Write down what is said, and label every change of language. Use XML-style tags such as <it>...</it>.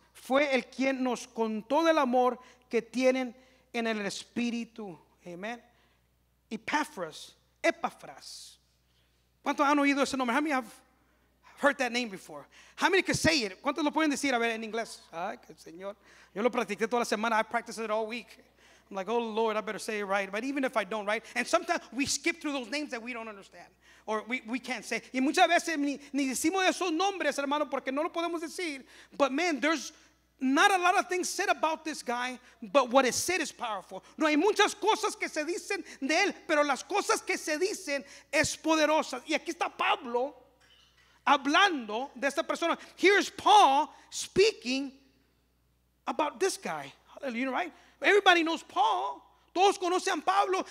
<es>Fue el quien nos contó del amor que tienen en el Espíritu. Amen. Epafras. ¿Cuántos han oído ese nombre?</es> <en>How many have heard that name before? How many can say it?</en> <es>¿Cuántos lo pueden decir? A ver, en inglés. Ay, que señor. Yo lo practiqué toda la semana.</es> <en>I practiced it all week. I'm like, oh, Lord, I better say it right. But even if I don't, right? And sometimes we skip through those names that we don't understand. Or we can't say.</en> <es>Y muchas veces ni decimos esos nombres, hermano, porque no lo podemos decir.</es> <en>But, man, there's not a lot of things said about this guy, but what is said is powerful.</en> <es>No hay muchas cosas que se dicen de él, pero las cosas que se dicen es poderosa. Y aquí está Pablo hablando de esta persona.</es> <en>Here's Paul speaking about this guy. Hallelujah, you know, right? Everybody knows Paul.</en> <es>Todos conocen a Pablo.</es>